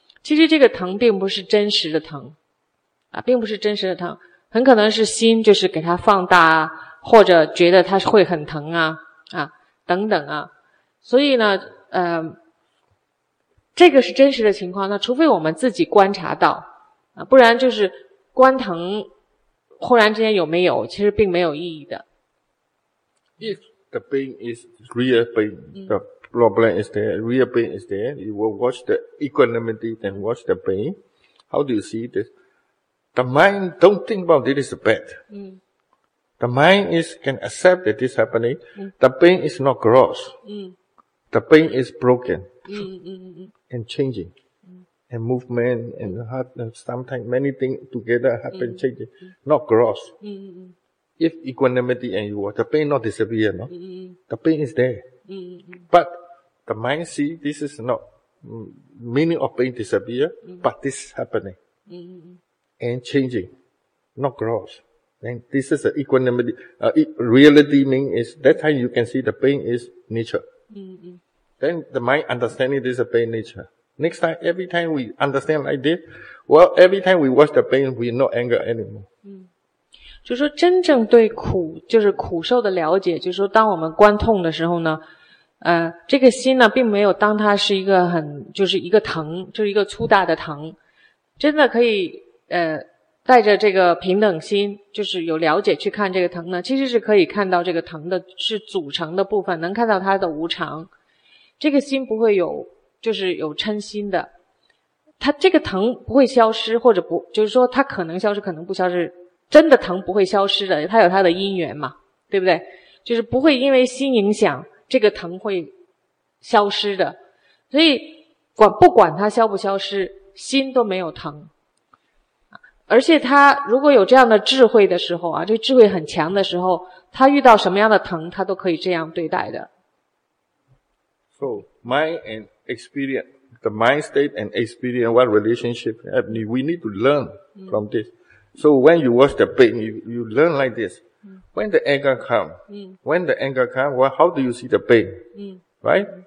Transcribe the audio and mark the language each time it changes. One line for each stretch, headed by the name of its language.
Chinese: 其实这个疼并不是真实的疼啊，并不是真实的疼，很可能是心就是给它放大啊，或者觉得它会很疼啊啊等等啊。所以呢，这个是真实的情况，那除非我们自己观察到啊，不然就是观疼忽然之间有没有，其实并没有意义的。
English: If the pain is real pain, the problem is there, real pain is there, you will watch the equanimity and watch the pain. How do you see this? The mind don't think about this is bad. The mind is, can accept that this happening. The pain is not gross. The pain is broken. And changing. And movement and heart, and sometimes many things together happen changing. Not gross. If equanimity and you are, the pain not disappear, no? The pain is there. But the mind see this is not meaning of pain disappear, but this is happening. And changing. Not gross. And this is the equanimity. Reality mean is that time you can see the pain is nature. Then the mind understanding this is a pain nature. Next time, every time we understand like this, well, every time we watch the pain, we not anger anymore.
Chinese: 就说真正对苦，就是苦受的了解，就是说当我们观痛的时候呢，这个心呢并没有当它是一个很，就是一个疼，就是一个粗大的疼，真的可以带着这个平等心，就是有了解去看这个疼呢，其实是可以看到这个疼的是组成的部分，能看到它的无常，这个心不会有，就是有嗔心的，它这个疼不会消失，或者不，就是说它可能消失可能不消失，真的疼不会消失的，它有它的因缘嘛，对不对？就是不会因为心影响这个疼会消失的，所以管不管它消不消失，心都没有疼。而且他如果有这样的智慧的时候啊，这智慧很强的时候，他遇到什么样的疼他都可以这样对待的。
English: So, mind and experience, the mind state and experience, what relationship happening, we need to learn from this. So when you watch the pain, you learn like this. When the anger come, when the anger come, well, how do you see the pain? Right?